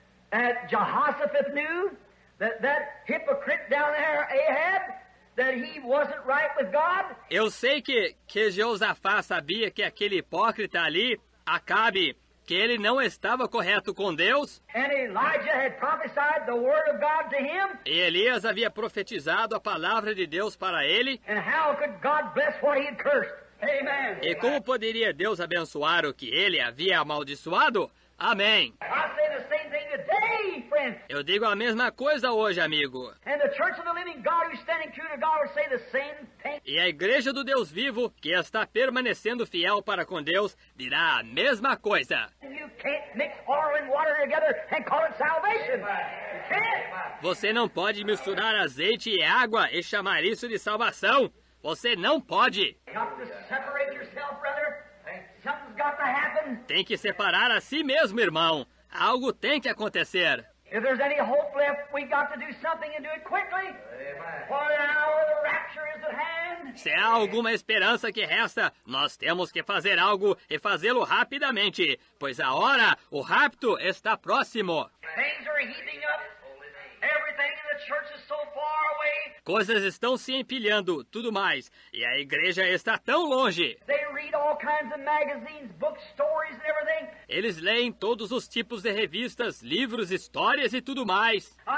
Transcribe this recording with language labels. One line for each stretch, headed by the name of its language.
English: That Jehoshaphat knew that hypocrite down there, Ahab, that he wasn't right with God.
Portuguese: Eu sei que Jeosafá sabia que aquele hipócrita ali, Acabe, que ele não estava correto com Deus.
English: And Elijah had prophesied the word of God to him.
Portuguese: E Elias havia profetizado a palavra de Deus para ele.
English: And how could God bless what he had cursed? Amen.
Portuguese: E como poderia Deus abençoar o que ele havia amaldiçoado? Amém.
English: I say the same thing today, friend.
Portuguese: Eu digo a mesma coisa hoje, amigo.
English: And the Church of the Living God, who's standing true to God, will say the same thing.
Portuguese: E a Igreja do Deus Vivo, que está permanecendo fiel para com Deus, dirá a mesma coisa.
English: You can't mix oil and water together and call it salvation. You can't.
Portuguese: Você não pode misturar azeite e água e chamar isso de salvação. Você não pode.
English: You have to separate yourself, brother. Something's got to happen.
Portuguese: Tem que separar a si mesmo, irmão. Algo tem que acontecer.
English: If there's any hope left, we've got to do something and do it quickly. For the hour of the rapture is at hand.
Portuguese: Se há alguma esperança que resta, nós temos que fazer algo e fazê-lo rapidamente, pois a hora, o rapto, está próximo.
English: Things are heating up. Everything in the church is so far away.
Portuguese: Coisas estão se empilhando, tudo mais, e a igreja está tão longe.
English: They read all kinds of magazines, books, stories and everything.
Portuguese: Eles leem todos os tipos de revistas, livros, histórias e tudo mais.